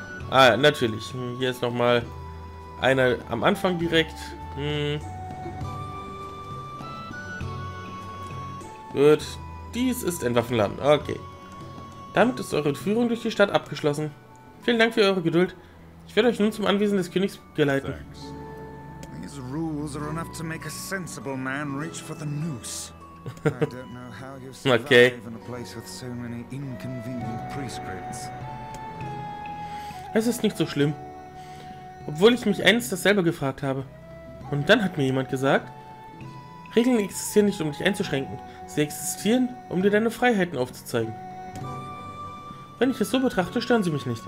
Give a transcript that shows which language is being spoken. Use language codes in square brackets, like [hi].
[de] Ah, natürlich. Hier ist nochmal einer am Anfang direkt. Gut. Dies ist ein Waffenladen. Okay. Damit ist eure Führung durch die Stadt abgeschlossen. Vielen Dank für eure Geduld. Ich werde euch nun zum Anwesen des Königs geleiten. [en] These rules are enough to make a sensible man reach for the noose. I don't know how you survive in a place with so many inconvenient prescripts. [de] Es ist nicht so schlimm. Obwohl ich mich einst dasselbe gefragt habe. Und dann hat mir jemand gesagt, Regeln existieren nicht, um dich einzuschränken. Sie existieren, um dir deine Freiheiten aufzuzeigen. Wenn ich es so betrachte, stören sie mich nicht.